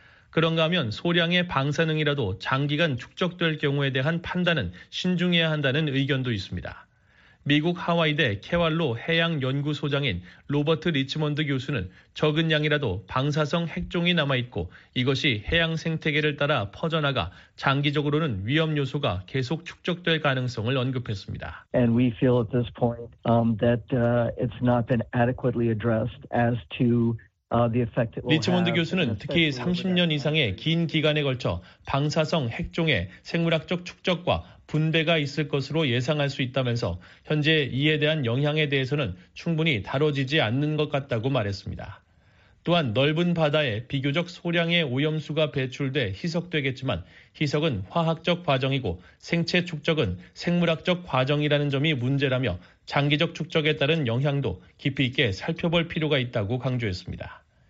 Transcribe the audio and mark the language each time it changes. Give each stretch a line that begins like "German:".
Korean: 그런가 하면 소량의 방사능이라도 장기간 축적될 경우에 대한 판단은 신중해야 한다는 의견도 있습니다. 미국 하와이대 케왈로 해양연구소장인 로버트 리치먼드 교수는 적은 양이라도 방사성 핵종이 남아있고 이것이 해양 생태계를 따라 퍼져나가 장기적으로는 위험 요소가 계속 축적될 가능성을 언급했습니다.
English: And we feel at this point that it's not been adequately addressed as to
Korean: 리치먼드 교수는 특히 30년 이상의 긴 기간에 걸쳐 방사성 핵종의 생물학적 축적과 분배가 있을 것으로 예상할 수 있다면서 현재 이에 대한 영향에 대해서는 충분히 다뤄지지 않는 것 같다고 말했습니다. 또한 넓은 바다에 비교적 소량의 오염수가 배출돼 희석되겠지만 희석은 화학적 과정이고 생체 축적은 생물학적 과정이라는 점이 문제라며 장기적 축적에 따른 영향도 깊이 있게 살펴볼 필요가 있다고 강조했습니다.